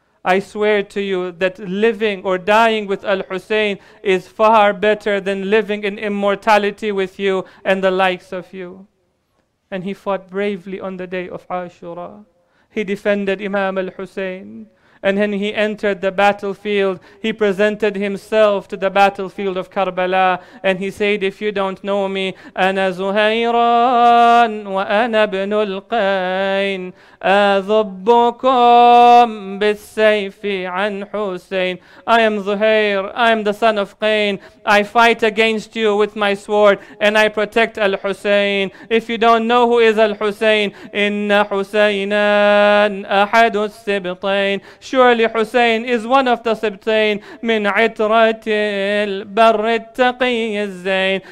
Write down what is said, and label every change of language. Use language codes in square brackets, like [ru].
[en] I swear to you that living or dying with Al-Hussein is far better than living in immortality with you and the likes of you. And he fought bravely on the day of Ashura. He defended Imam Al-Hussein. And when he entered the battlefield, he presented himself to the battlefield of Karbala. And he said, if you don't know me, [ar] أنا زهيران وأنا بن القين أذبكم بالسيف عن حسين. [en] I am Zuhair, I am the son of Qain. I fight against you with my sword and I protect Al-Hussein. If you don't know who is Al-Hussein, [ar] إن حسينان أحد السبطين. [en] Surely Hussein is one of the Sibtain [ar] min itratil barrit taqiyyiz zain.